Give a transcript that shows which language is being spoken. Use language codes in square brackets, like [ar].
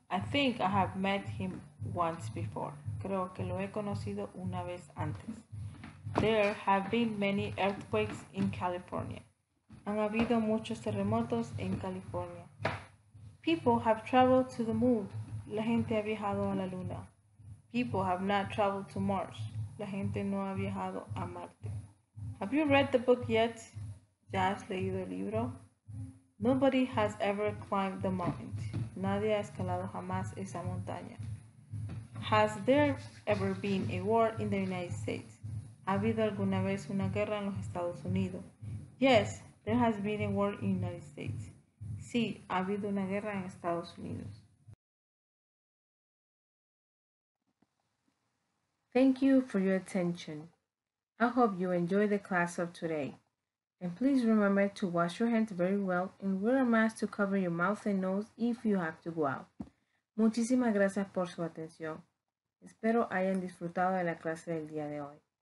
[en] I think I have met him once before. [es] Creo que lo he conocido una vez antes. [en] There have been many earthquakes in California. [es] Han habido muchos terremotos en California. [en] People have traveled to the moon. [es] La gente ha viajado a la luna. [en] People have not traveled to Mars. [es] La gente no ha viajado a Marte. [en] Have you read the book yet? [es] ¿Ya has leído el libro? [en] Nobody has ever climbed the mountain. [es] Nadie ha escalado jamás esa montaña. [en] Has there ever been a war in the United States? [es] ¿Ha habido alguna vez una guerra en los Estados Unidos? [en] Yes, there has been a war in the United States. [es] Sí, ha habido una guerra en Estados Unidos. [en] Thank you for your attention. I hope you enjoy the class of today. And please remember to wash your hands very well and wear a mask to cover your mouth and nose if you have to go out. [es] Muchísimas gracias por su atención. Espero hayan disfrutado de la clase del día de hoy.